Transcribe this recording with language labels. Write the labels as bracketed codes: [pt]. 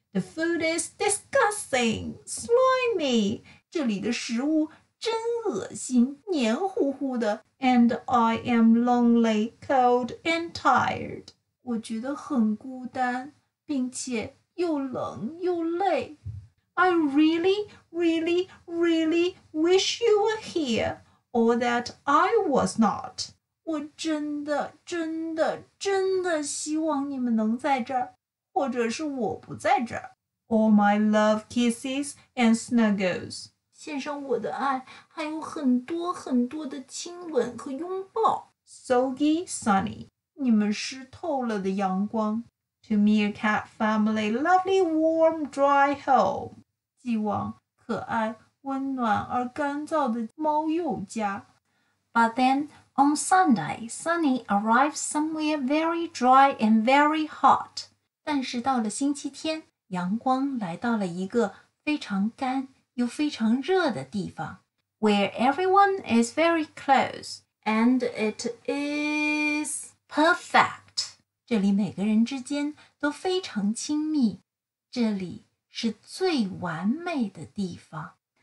[en] The food is disgusting, slimy. [zh] 这里的食物真恶心，黏糊糊的。 [en] And I am lonely, cold and tired. [zh] 我觉得很孤单，并且又冷又累。 [en] I really, really, really wish you were here, or that I was not. [zh] 我真的真的真的希望你们能在这儿，或者是我不在这儿。 [en] All my love kisses and snuggles. [zh] 献上我的爱，还有很多很多的亲吻和拥抱。 [en] Soggy Sunny. [zh] 你们湿透了的阳光。 [en] To Meerkat family, lovely, warm, dry home. [zh] 寄往可爱、温暖而干燥的猫幼家。 [en] But then, on Sunday, Sunny arrived somewhere very dry and very hot. [zh] 但是到了星期天，阳光来到了一个非常干又非常热的地方。 [en] Where everyone is very close, and it is perfect. [zh] 这里每个人之间都非常亲密，这里是最完美的地方。